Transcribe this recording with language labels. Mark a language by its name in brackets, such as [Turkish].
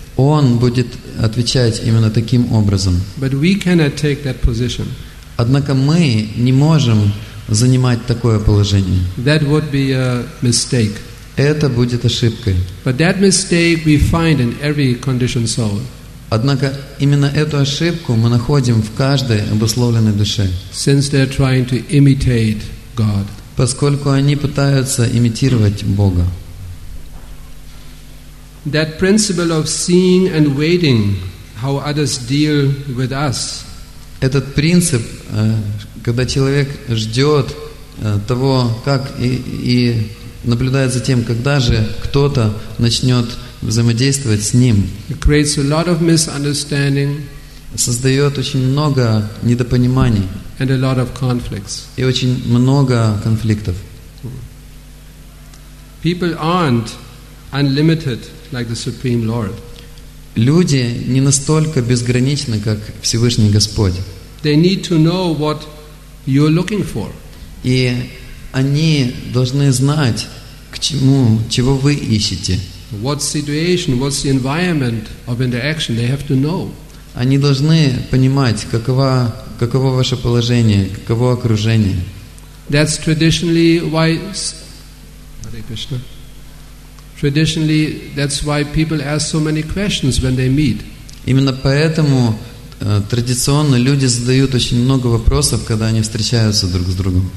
[Russian] Он будет отвечать именно таким образом. [English] But we cannot take that position. [Russian] Однако мы не можем занимать такое положение. [English] That would be a mistake. [Russian] Это будет ошибкой. [English] But that mistake we find in every conditioned soul. [Russian] Однако именно эту ошибку мы находим в каждой обусловленной душе. [English] Since they're trying to imitate God. [Russian] Поскольку они пытаются имитировать Бога. [English] That principle of seeing and waiting how others deal with us. [Russian] Этот принцип, когда человек ждет того, как и наблюдает за тем, когда же кто-то начнет взаимодействовать с ним. [English] It creates a lot of misunderstanding. [Russian] Создает очень много недопониманий. [English] And a lot of conflicts. [Russian] И очень много конфликтов. [English] People aren't unlimited like the Supreme Lord. [Russian] Люди не настолько безграничны, как Всевышний Господь. [English] They need to know what you're looking for. [Russian] И они должны знать, к чему, чего вы ищете. [English] What situation, what's the environment of interaction? They have to know. [Russian] Они должны понимать, каково ваше положение, каково окружение. [English] That's traditionally why. Hare Krishna. Traditionally, that's why people ask so many questions when they meet. [Russian] Именно поэтому традиционно люди задают очень много вопросов, когда они встречаются друг с другом.